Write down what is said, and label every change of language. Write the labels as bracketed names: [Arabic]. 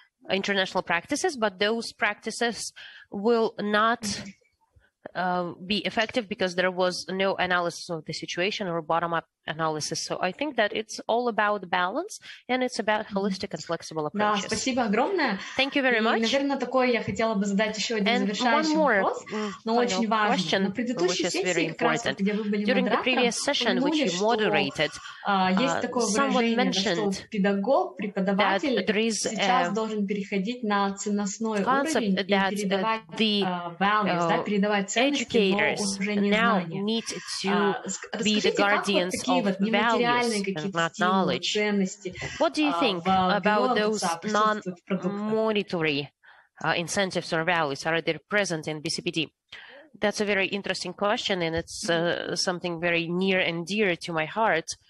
[English] international practices, but those practices will not be effective because there was no analysis of the situation or bottom-up analysis. So I think that it's all about balance and it's about holistic and flexible approaches. [Russian] Да, спасибо огромное. [English] Thank you very much. [Russian] И, наверное, такое я хотела бы задать еще один завершающий вопрос, но очень важный. [English] Question, [Russian] на предыдущей сессии, как раз вот, где вы были [English] During the previous session, which you moderated, [Russian] есть такое выражение, что педагог, преподаватель сейчас должен переходить на ценностной уровень и передавать values, да, передавать ценности, но уже не знания. [English] Скажите, the guardians of values and not knowledge. What do you think about those non-monetary incentives or values? Are they present in BCPD? That's a very interesting question, and it's something very near and dear to my heart.